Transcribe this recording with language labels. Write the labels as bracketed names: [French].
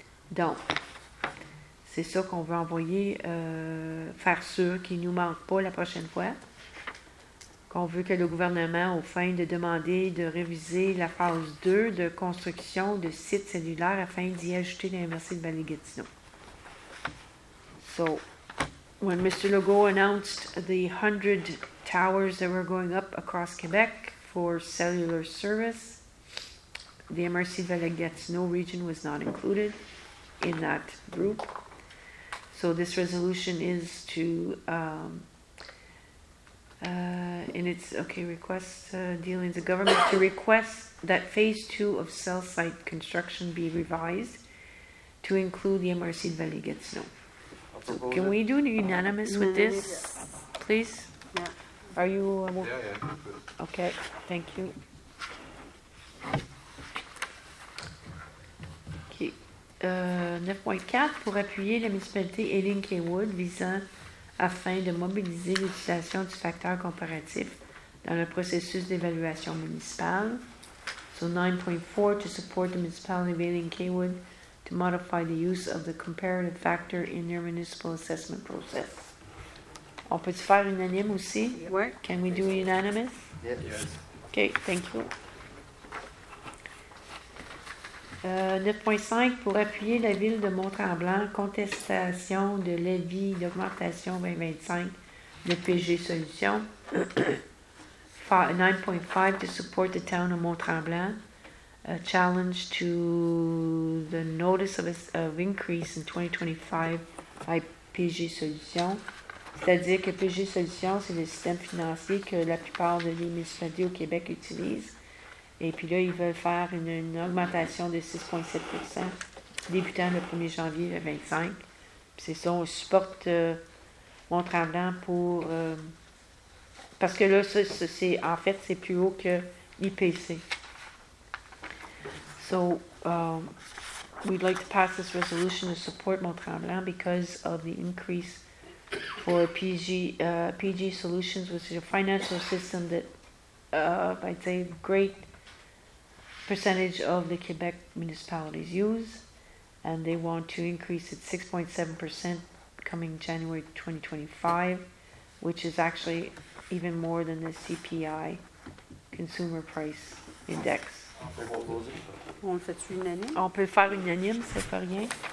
[French] Donc, c'est ça qu'on veut envoyer, faire sûr qu'il ne nous manque pas la prochaine fois, qu'on veut que le gouvernement, au fin de demander de réviser la phase 2 de construction de sites cellulaires afin d'y ajouter l'inversée de Vallée-Gatineau. [English] So, when Mr. Legault announced the 100 towers that were going up across Quebec for cellular service, the MRC de Vallée-Gatineau region was not included in that group. So this resolution is to, in its, okay, request dealing with the government to request that phase 2 of cell site construction be revised to include the MRC de Vallée-Gatineau. So can we do unanimous with this, please? Yeah. Are you? Yeah. Okay, thank you. Okay. [French] 9.4, pour appuyer la municipalité Elling-Kaywood visant afin de mobiliser l'utilisation du facteur comparatif dans le processus d'évaluation municipale. [English] So 9.4, to support the municipality of Elling-Kaywood to modify the use of the comparative factor in their municipal assessment process. [French] On peut-tu faire unanime aussi? Oui. [English] Can we do unanimous? Yes. Okay, thank you. [French] 9.5, pour appuyer la ville de Mont-Tremblant, contestation de levy d'augmentation 2025 de PG Solutions. [English] 9.5, to support the town of Mont-Tremblant, a challenge to the notice of increase in 2025 by PG Solutions. [French] C'est-à-dire que PG Solutions, c'est le système financier que la plupart des municipalités au Québec utilisent. Et puis là, ils veulent faire une augmentation de 6,7% débutant le 1er janvier 2025. Puis c'est ça, on supporte Mont-Tremblant pour... parce que là, c'est en fait, c'est plus haut que l'IPC. [English] So, we'd like to pass this resolution to support Mont-Tremblant because of the increase for PG Solutions, which is a financial system that, I'd say, great percentage of the Quebec municipalities use, and they want to increase it 6.7% coming January 2025, which is actually even more than the CPI, Consumer Price Index. [French] On le fait-tu unanime? On peut le faire unanime, ça ne fait rien.